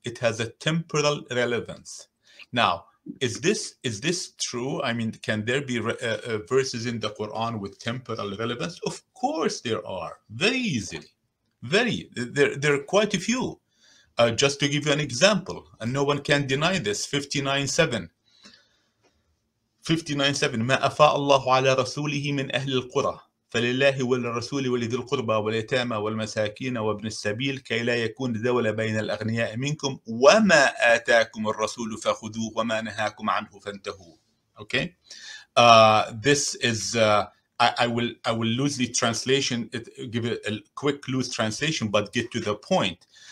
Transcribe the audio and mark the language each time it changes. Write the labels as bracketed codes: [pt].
[en] It has a temporal relevance. Now, is this true? I mean, can there be verses in the Quran with temporal relevance? Of course, there are. Very easily, there are quite a few. Just to give you an example, and no one can deny this, 59:7. [ar] ما أفاء الله على رسوله من أهل القرى فلله وللرسول ولذي القربى واليتامى والمساكين وابن السبيل كي لا يكون دولة بين الأغنياء منكم وما آتاكم الرسول فخذوه وما نهاكم عنه فانتهوا. [en] Okay. This is I will loosely translation it, give it a quick loose translation, but get to the point.